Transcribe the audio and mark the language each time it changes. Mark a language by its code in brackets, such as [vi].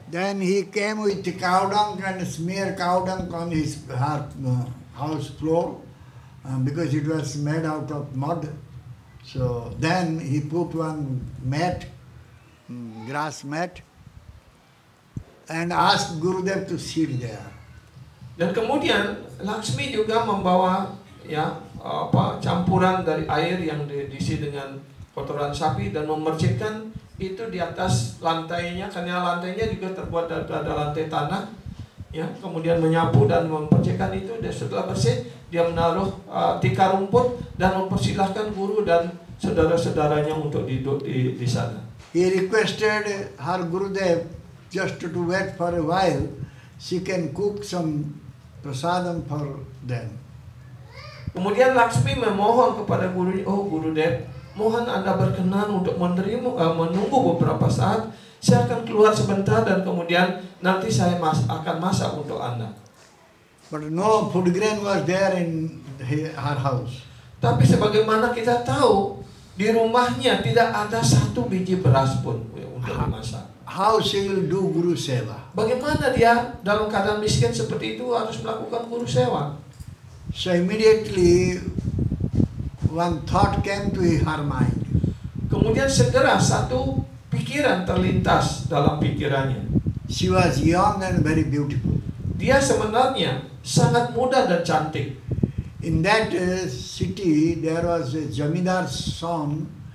[en] Then he came with cow dung and smear cow dung on his house floor because it was made out of mud. So then he put one mat, grass mat, and asked Gurudev to sit there. [id] Dan kemudian Lakshmi juga membawa ya campuran dari air yang diisi dengan kotoran sapi dan memercikkan itu di atas lantainya, karena lantainya juga terbuat dari lantai tanah, ya, kemudian menyapu dan mempercikkan itu. Dan setelah bersih, dia menaruh tikar rumput dan mempersilahkan guru dan saudara-saudaranya untuk duduk di sana. [en] He requested her Gurudev just to wait for a while, she can cook some prasadam for them. [id] Kemudian Lakshmi memohon kepada gurunya, oh Gurudev, mohon Anda berkenan untuk menunggu beberapa saat, saya akan keluar sebentar dan kemudian nanti saya akan masak untuk Anda. [en] But no food grain was there in her house. [id] Tapi sebagaimana kita tahu, di rumahnya tidak ada satu biji beras pun untuk dimasak. [en] How she will do guru seva? [id] Bagaimana dia dalam keadaan miskin seperti itu harus melakukan guru seva? [en] So immediately one thought came to her mind. [id] Kemudian segera satu pikiran terlintas dalam pikirannya. [en] She was young and very beautiful. [id] Dia sebenarnya sangat muda dan cantik. [en] In that city there was a zamindar's son.